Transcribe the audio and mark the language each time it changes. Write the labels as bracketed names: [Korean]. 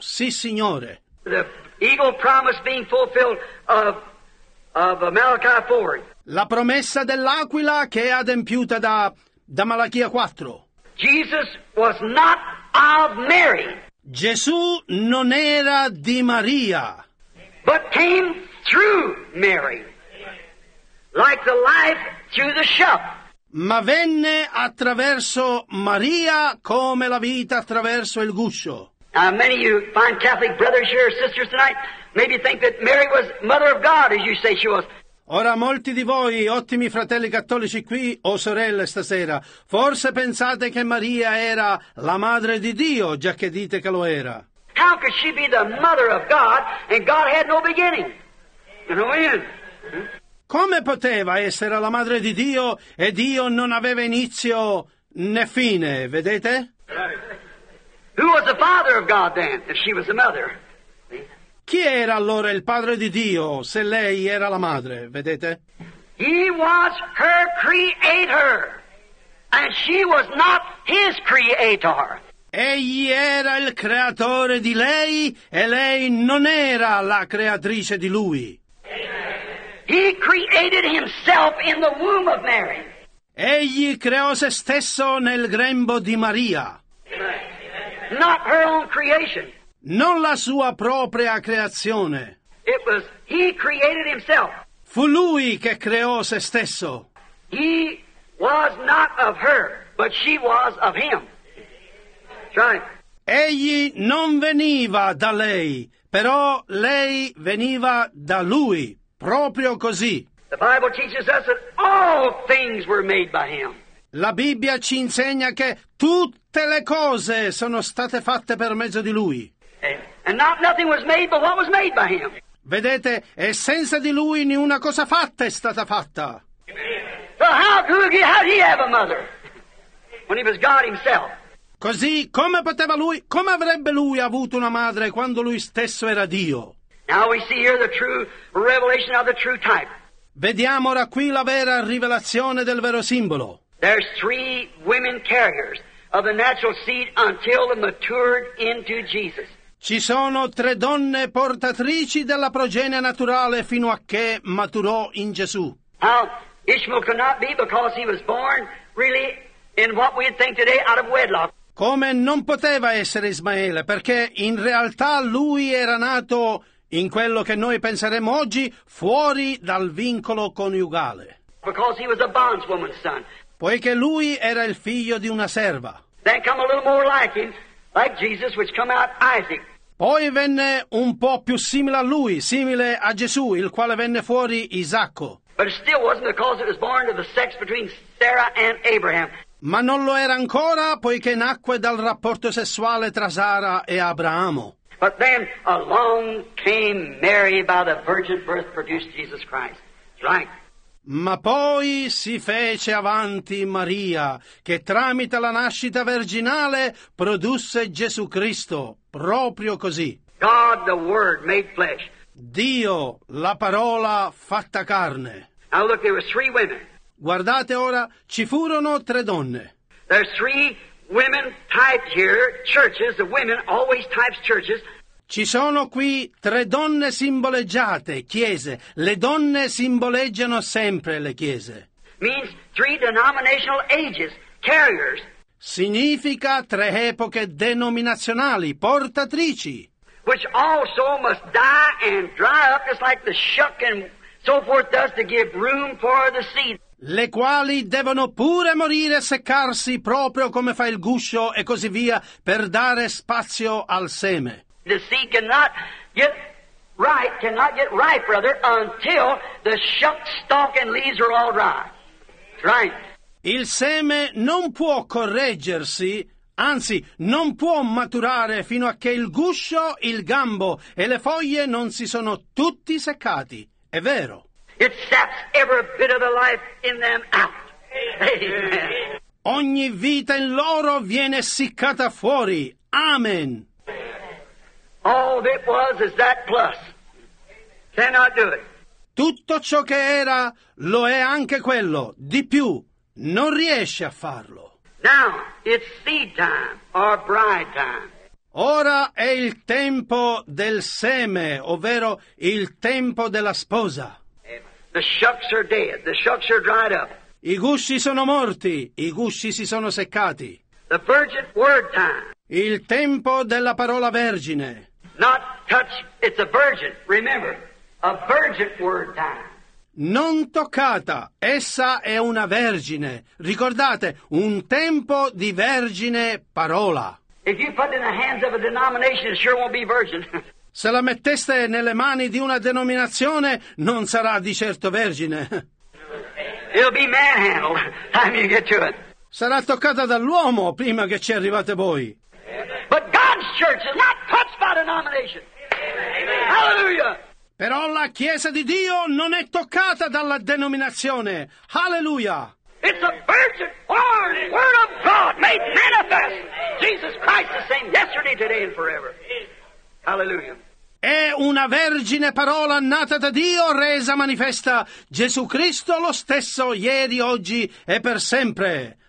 [Italian] Sì, signore. [English] The eagle promise being fulfilled of Malachi 4. [Italian] La promessa dell'aquila che è adempiuta da Malachia 4. [English] Jesus was not of Mary. [Italian] Gesù non era di Maria. [English] But came through Mary. Like the life through the shuck. [Italian] Ma venne attraverso Maria come la vita attraverso il guscio. [English] Many of you find Catholic brothers here, sisters tonight. maybe think that Mary was mother of God, as you say she was. [Italian] Ora molti di voi, ottimi fratelli cattolici qui, o sorelle stasera, forse pensate che Maria era la madre di Dio, già che dite che lo era. [English] How could she be the mother of God and God had no beginning? No end. [Italian] Come poteva essere la madre di Dio e Dio non aveva inizio né fine, vedete? [English] Who was the father of God then, if she was the mother? [Italian] Chi era allora il padre di Dio, se lei era la madre, vedete? [English] He was her creator, and she was not his creator. [Italian] Egli era il creatore di lei, e lei non era la creatrice di lui. [English] He created himself in the womb of Mary. [Italian] Egli creò se stesso nel grembo di Maria. [English] Not her own creation. [Italian] Non la sua propria creazione. [English] It was he created himself. [Italian] Fu lui che creò se stesso. [English] He was not of her, but she was of him. Right. [Italian] Egli non veniva da lei, però lei veniva da lui. Proprio così. [English] The Bible teaches us that all things were made by him. [Italian] La Bibbia ci insegna che tutte le cose sono state fatte per mezzo di lui. [English] And not nothing was made but what was made by him. [Italian] Vedete, e senza di lui nessuna cosa fatta è stata fatta. [English] So how did he have a mother when he was God himself? [Italian] Così come avrebbe lui avuto una madre quando lui stesso era Dio? [English] Now we see here the true revelation of the true type. [Italian] Vediamo ora qui la vera rivelazione del vero simbolo. [English] There's three women carriers of the natural seed until they matured into Jesus. [Italian] Ci sono tre donne portatrici della progenia naturale fino a che maturò in Gesù. [English] Now, Ishmael could not be because he was born really in what we think today out of wedlock. [Italian] Come non poteva essere Ismaele, perché in realtà lui era nato in quello che noi penseremo oggi fuori dal vincolo coniugale. [English] Because he was a bondswoman's son. [Italian] Poiché lui era il figlio di una serva. [English] Then come a little more like him, like Jesus, which come out Isaac. [Italian] Poi venne un po' più simile a lui, simile a Gesù, il quale venne fuori Isacco. [English] But it still wasn't because it was born of the sex between Sarah and Abraham. [Italian] Ma non lo era ancora, poiché nacque dal rapporto sessuale tra Sara e Abramo. [English] But then along came Mary by the virgin birth produced Jesus Christ. Right. [Italian] Ma poi si fece avanti Maria, che tramite la nascita virginale produsse Gesù Cristo, proprio così. [English] God, the Word, made flesh. [Italian] Dio, la parola fatta carne. [English] Now look, there were three women. [Italian] Guardate ora, ci furono tre donne. [English] There's three women type here, churches, the women always types churches. [Italian] Ci sono qui tre donne simboleggiate, chiese. Le donne simboleggiano sempre le chiese. [English] Means three denominational ages, carriers. [Italian] Significa tre epoche denominazionali, portatrici. [English] Which also must die and dry up just like the shuck and so forth does to give room for the seed. [Italian] Le quali devono pure morire e seccarsi proprio come fa il guscio e così via per dare spazio al seme. [English] The seed cannot get ripe, brother, until the shuck, stalk and leaves are all dry. Right. [Italian] Il seme non può correggersi, anzi, non può maturare fino a che il guscio, il gambo e le foglie non si sono tutti seccati. È vero. [English] It saps every bit of the life in them out. Amen. [Italian] Ogni vita in loro viene essiccata fuori. Amen. [English] All that was is that plus. Cannot do it. [Italian] Tutto ciò che era lo è anche quello. Di più, non riesce a farlo. [English] Now it's seed time or bride time. [Italian] Ora è il tempo del seme, ovvero il tempo della sposa. [English] The shucks are dead. The shucks are dried up. [Italian] I gusci sono morti. I gusci si sono seccati. [English] The virgin word time. [Italian] Il tempo della parola vergine. [English] Not touch. It's a virgin. Remember, a virgin word time. [Italian] Non toccata. Essa è una vergine. Ricordate, un tempo di vergine parola. [English] If you put it in the hands of a denomination, it sure won't be virgin. [Italian] Se la metteste nelle mani di una denominazione, non sarà di certo vergine. [English] It'll be manhandled time you get to it. [Italian] Sarà toccata dall'uomo prima che ci arrivate voi. [English] But God's church is not touched by denomination. Amen. Hallelujah. [Italian] Però la Chiesa di Dio non è toccata dalla denominazione. Hallelujah. [English] It's a virgin born word of God made manifest. Jesus Christ the same yesterday, today and forever. Hallelujah. [Italian] È una vergine parola nata da Dio, resa manifesta Gesù Cristo lo stesso ieri, oggi e per sempre.